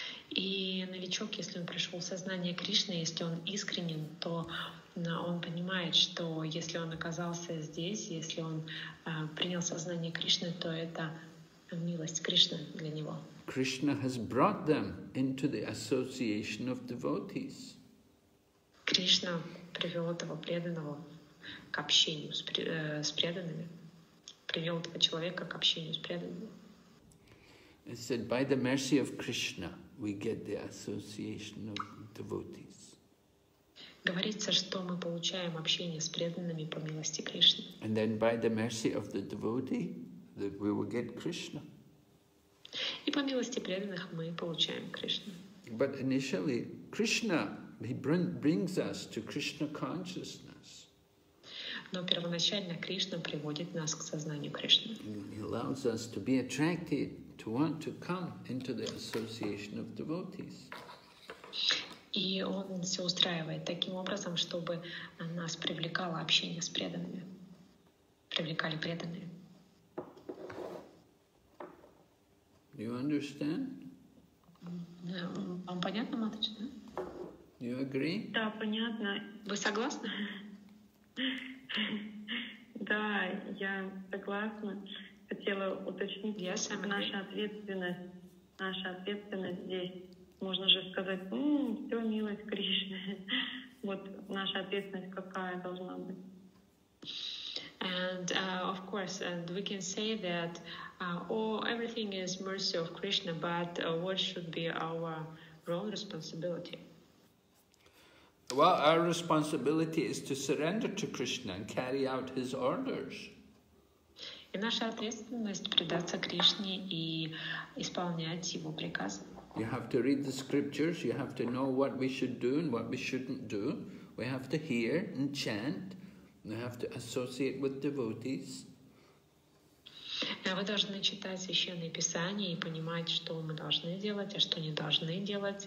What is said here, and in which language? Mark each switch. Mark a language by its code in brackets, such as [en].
[ru] И новичок, если он пришел в сознание Кришны, если он искренен, то он понимает, что если он оказался здесь, если он принял сознание Кришны, то это милость Кришны для него. [en] Krishna has brought them into the association of devotees. [ru] Кришна привел этого преданного к общению с преданными. Привел этого человека к общению с преданными. [en] It said, by the mercy of Krishna, we get the association of devotees. [ru] Говорится, что мы получаем общение с преданными по милости Кришны. [en] And then by the mercy of the devotee, that we will get Krishna. [ru] И по милости преданных мы получаем Кришну. [en] But initially, Krishna, he brings us to Krishna consciousness. [ru] Но первоначально Кришна приводит нас к сознанию Кришны. [en] He allows us to be attracted to want to come into the association of devotees. [ru] И он все устраивает таким образом, чтобы нас привлекало общение с преданными. Привлекали преданные. [en] Do you understand? [ru] Вам понятно, Матыч, да? [en] Do you agree? [ru] Да, понятно. Вы согласны? Да, я согласна. Хотела уточнить, наша ответственность здесь, можно же сказать, все, милость Кришны. Вот наша ответственность какая должна быть? [en] And of course, and we can say that everything is mercy of Krishna, but what should be our role, responsibility? Well, our responsibility is to surrender to Krishna and carry out his orders. [ru] И наша ответственность предаться Кришне и исполнять его приказы. [en] You have to read the scriptures, you have to know what we should do and what we shouldn't do. We have to hear and chant, we have to associate with devotees. [ru] Вы должны читать священные писания и понимать, что мы должны делать, а что не должны делать.